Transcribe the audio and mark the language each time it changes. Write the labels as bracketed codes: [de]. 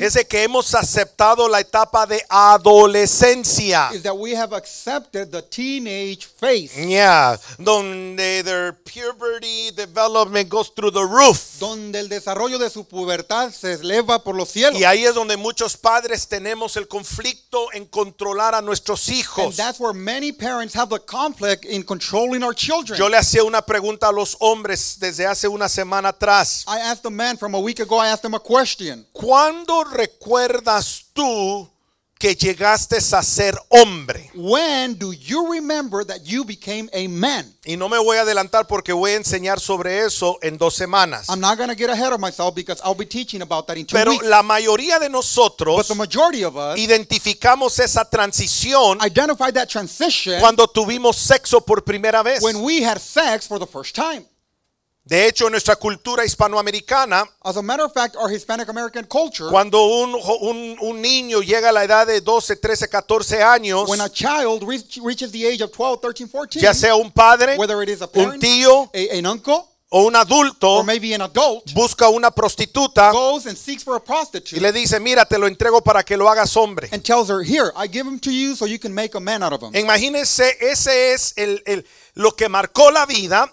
[es] es de que hemos aceptado la etapa de adolescencia, [en] is that we have accepted the teenage phase. Yeah, [es] donde [en] their puberty development goes through the roof, [es] donde el desarrollo de su pubertad se eleva por los cielos. Y ahí es donde muchos padres tenemos el conflicto en controlar a nuestros hijos. [en] And that's where many parents have the conflict in controlling our children. [es] Yo le hacía una pregunta a los hombres desde hace una semana atrás. [en] I asked a man from a week ago, I asked him a question. [es] ¿Cuándo recuerdas tú que llegaste a ser hombre? [en] When do you remember that you became a man? [es] Y no me voy a adelantar porque voy a enseñar sobre eso en dos semanas. [en] I'm not going to get ahead of myself because I'll be teaching about that in two [es] Pero [en] weeks. [es] Pero la mayoría de nosotros identificamos esa transición cuando tuvimos sexo por primera vez. [en] When we had sex for the first time. [es] De hecho, en nuestra cultura hispanoamericana, [en] as a matter of fact, our Hispanic-American culture, [es] cuando un niño llega a la edad de 12, 13, 14 años, [en] when a child reaches the age of 12, 13, 14, [es] ya sea un padre, [en] whether it is a parent, [es] un tío, [en] an uncle, [es] o un adulto, [en] or maybe an adult, [es] busca una prostituta, [en] goes and seeks for a prostitute, [es] y le dice, mira, te lo entrego para que lo hagas hombre, [en] and tells her, here, I give him to you so you can make a man out of him. [es] Imagínese, ese es el lo que marcó la vida.